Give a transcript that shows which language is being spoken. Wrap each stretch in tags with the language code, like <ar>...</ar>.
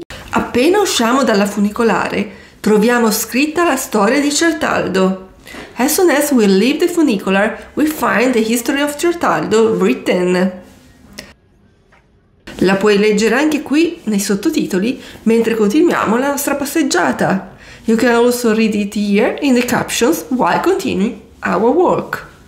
<it>Appena usciamo dalla funicolare, troviamo scritta la storia di Certaldo.</it> <en>As soon as we leave the funicular, we find the history of Certaldo written.</en> <it>La puoi leggere anche qui nei sottotitoli mentre continuiamo la nostra passeggiata.</it> <en>You can also read it here in the captions while continuing our walk.</en>